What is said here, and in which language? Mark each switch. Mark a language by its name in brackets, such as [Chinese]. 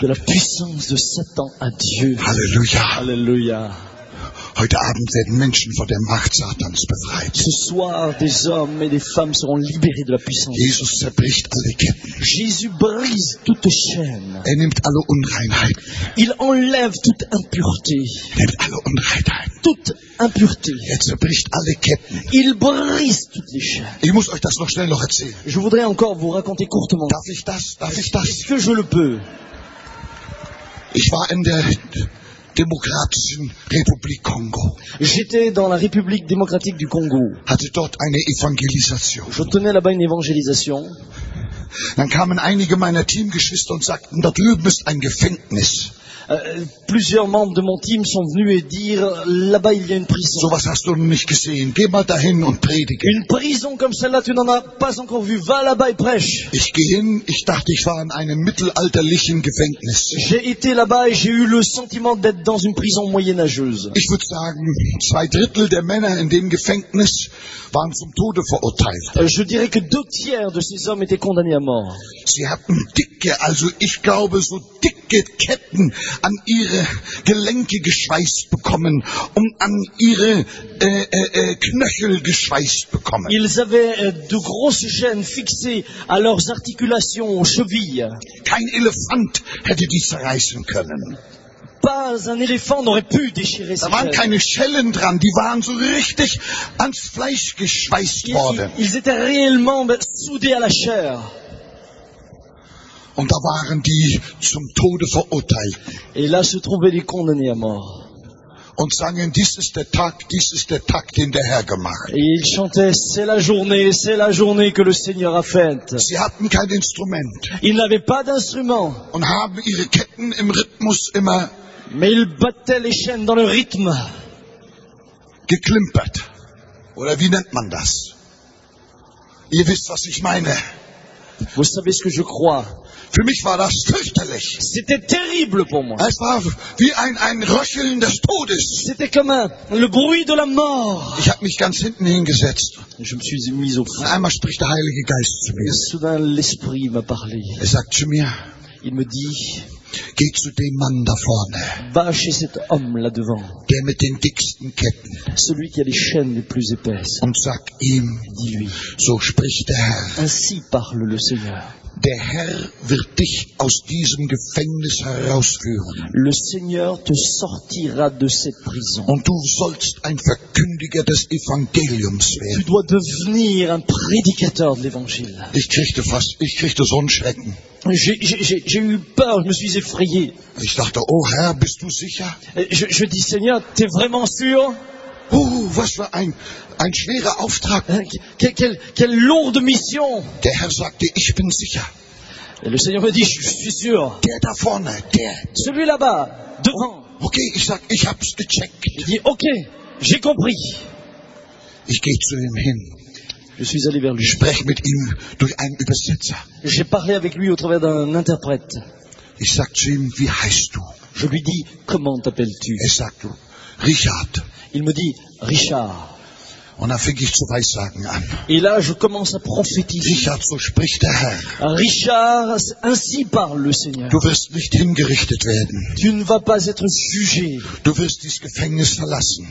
[French] De la puissance de Satan à Dieu. Halleluja. Halleluja. [German] Heute Abend werden Menschen von der Macht Satans befreit. [French] Ce soir, des hommes et des femmes seront libérés de la puissance. [German] Jesus zerbricht alle Ketten. [French] Jésus brise toute chaîne. [German] Er nimmt alle Unreinheiten. [French] Il enlève toute impureté. [German] Nimmt alle Unreinheiten. [French] Toute impureté. [German] Er zerbricht alle Ketten. [French] Il brise toutes les chaînes. [German] Ich muss euch das noch schnell noch erzählen. [French] Je voudrais encore vous raconter courtement. [German] Darf ich das? Darf ich das? [French] Est-ce que je le peux? [German] Ich war in der Demokratischen Republik Kongo. [French] J'étais dans la République démocratique du Congo. [German] Hatte dort eine Evangelisation. [French] Je tenais là-bas une évangélisation. [German] Dann kamen einige meiner Teamgeschwister und sagten, da drüben ist ein Gefängnis. [French] Plusieurs membres de mon team sont venus et dire là-bas il y a une prison. [German] So was hast du noch nicht gesehen. Geh mal dahin und predige. [French] Une prison comme celle-là, tu n'en as pas encore vu. Va là-bas et prêche. [German] Ich gehe hin, ich dachte, ich war in einem mittelalterlichen Gefängnis. [French] J'ai été là-bas et j'ai eu le sentiment d'être dans une prison moyenâgeuse. [German] Ich würde sagen, zwei Drittel der Männer in dem Gefängnis waren zum Tode verurteilt. [French] Je dirais que deux tiers de ces hommes étaient condamnés à mort. [German] Sie hatten dicke, also ich glaube so dicke Ketten an ihre Gelenke geschweißt bekommen und an ihre Knöchel geschweißt bekommen. [French] Ils avaient de grosses chaînes fixées à leurs articulations, aux chevilles. [German] Kein Elefant hätte die zerreißen können. [French] Pas un éléphant n'aurait pu déchirer ça. [German] Da waren keine Schellen dran, die waren so richtig ans Fleisch geschweißt worden. [French] Ils étaient réellement soudés à la chair. [German] Und da waren die zum Tode verurteilt. [French] Et là se trouvaient les condamnés à mort. [German] Und sangen, dies ist der Tag, den der Herr gemacht. [French] Et ils chantaient, c'est la journée que le Seigneur a faite. [German] Sie hatten kein Instrument. [French] Ils n'avaient pas d'instrument. [German] Und haben ihre Ketten im Rhythmus immer. [French] Mais ils battaient les chaînes dans le rythme. [German] Geklimpert. Oder wie nennt man das? Ihr wisst, was ich meine. [French] Vous savez ce que je crois. [German] Für mich war das fürchterlich. [French] C'était terrible pour moi. [German] Es war wie ein Röcheln des Todes. [French] C'était comme le bruit de la mort. [German] Ich habe mich ganz hinten hingesetzt. [French] Je me suis mis au fond. [German] Einmal spricht der Heilige Geist zu mir. [French] Et soudain l'esprit m'a parlé. [German] Er sagt zu mir. [French] Il me dit. [German] Geh zu dem Mann da vorne. [French] Va chez cet homme là devant. [German] Der mit den dicksten Ketten. [French] Celui qui a les chaînes les plus épaisses. [German] Und sag ihm. [French] Dis-lui. [German] So spricht der Herr. [French] Ainsi parle le Seigneur. [German] Der Herr wird dich aus diesem Gefängnis herausführen. [French] Le Seigneur te sortira de cette prison. [German] Und du sollst ein Verkündiger des Evangeliums werden. [French] Tu dois devenir un prédicateur de l'Évangile. [German] Ich kriegte so einen Schrecken. [French] J'ai eu peur, je me suis effrayé. [German] Ich dachte, oh Herr, bist du sicher? [French] Je dis, Seigneur, t'es vraiment sûr? [German] Oh, was für ein schwerer Auftrag. [French] Quelle lourde mission. [German] Der Herr sagte, ich bin sicher. [French] Le Seigneur me dit, je suis sûr. [German] Der da vorne, der. [French] Celui là-bas, devant. [German] Oh, okay, ich sag, ich hab's gecheckt. [French] Il dit, ok, j'ai compris. [German] Ich gehe zu ihm hin. [French] Je suis allé vers lui. [German] Ich spreche mit ihm durch einen Übersetzer. [French] J'ai parlé avec lui au travers d'un interprète. [German] Ich sag zu ihm, wie heißt du? [French] Je lui dis, comment t'appelles-tu? [German] Er sagt, Richard. [French] Il me dit, Richard. [German] Und dann fing ich zu weissagen an. [French] Et là, je commence à prophétiser. [German] Richard, so spricht der Herr. [French] Richard, ainsi parle le Seigneur. [German] Du wirst nicht hingerichtet werden. [French] Tu ne vas pas être jugé. [German] Du wirst dieses Gefängnis verlassen.